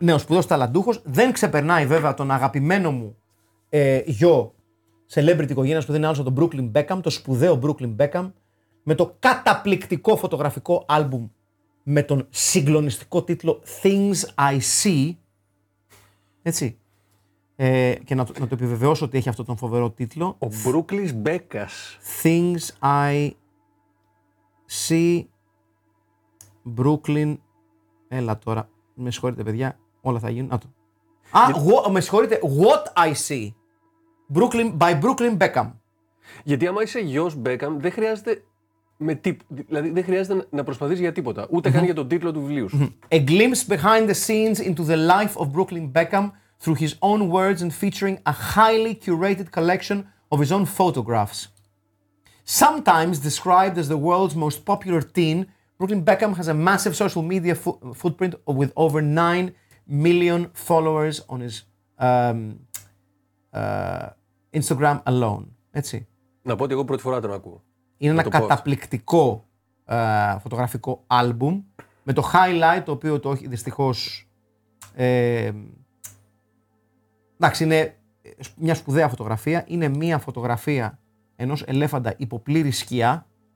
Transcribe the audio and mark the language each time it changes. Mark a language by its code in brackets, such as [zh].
[el] Ναι, ο σπουδαίος ταλαντούχος. Δεν ξεπερνάει βέβαια τον αγαπημένο μου γιο celebrity οικογένειας που δεν είναι άλλος από τον Brooklyn Beckham, το σπουδαίο Brooklyn Beckham, με το καταπληκτικό φωτογραφικό άλμπουμ με τον συγκλονιστικό τίτλο Things I See. Έτσι. Και να το επιβεβαιώσω ότι έχει αυτό τον φοβερό τίτλο. Ο Brooklyn Beckham. Things I See Brooklyn. Έλα τώρα. Με συγχωρείτε, παιδιά, όλα θα γίνουν. Με συγχωρείτε, what I see. Brooklyn, by Brooklyn Beckham. Γιατί άμα είσαι γιος Beckham, δεν χρειάζεται με δηλαδή δεν χρειάζεται να προσπαθείς για τίποτα, ούτε καν για τον τίτλο του βιβλίου σου. [en] A glimpse behind the scenes into the life of Brooklyn Beckham through his own words and featuring a highly curated collection of his own photographs. Sometimes described as the world's most popular teen, Brooklyn Beckham has a massive social media footprint with over 9 million followers on his Instagram alone. [el] Έτσι. Να πω ότι εγώ πρώτη φορά τον ακούω. Είναι ένα καταπληκτικό φωτογραφικό άλμπουμ με το highlight, το οποίο το έχει δυστυχώς... εντάξει, είναι μια σπουδαία φωτογραφία. Είναι μια φωτογραφία ενός ελέφαντα υπό πλήρη σκιά.